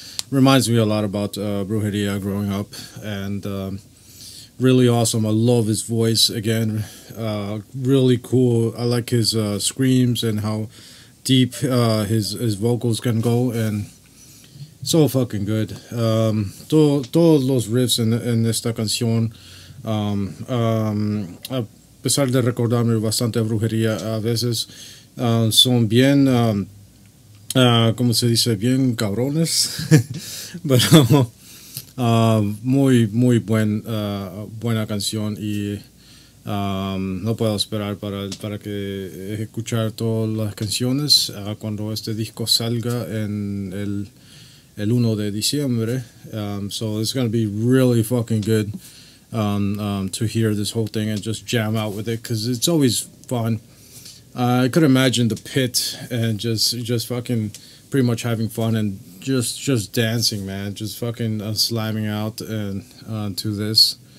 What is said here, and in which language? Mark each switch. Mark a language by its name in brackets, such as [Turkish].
[English] Reminds me a lot about brujería growing up, and really awesome. I love his voice again, really cool. I like his screams and how deep his vocals can go, and so fucking good. [Spanish] Todos los riffs en esta canción, a pesar de recordarme bastante a brujería a veces, son bien, como se dice, bien cabrones. Pero muy buen, buena canción, y no puedo esperar para que escuchar todas las canciones cuando este disco salga en el 1 de diciembre. [English] So it's going to be really fucking good to hear this whole thing and just jam out with it, because it's always fun. I could imagine the pit and just fucking pretty much having fun and just dancing, man. Just fucking slamming out and to this.